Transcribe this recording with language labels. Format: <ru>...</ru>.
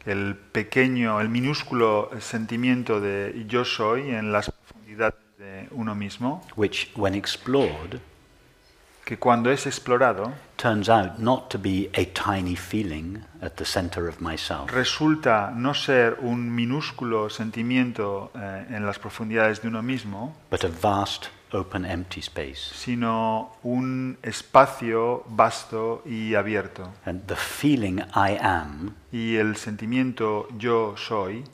<es>El pequeño, el minúsculo sentimiento de yo soy en las profundidades de uno mismo,</es> <en>which when explored,</en> <es>que cuando es explorado,</es> <en>turns out not to be a tiny feeling at the center of myself.</en> <es>Resulta no ser un minúsculo sentimiento en las profundidades de uno mismo,</es> <en>but a vast open empty space.</en> <es>Sino un espacio vasto y abierto.</es> <en>And the feeling I am,</en> <es>y el sentimiento yo soy,</es>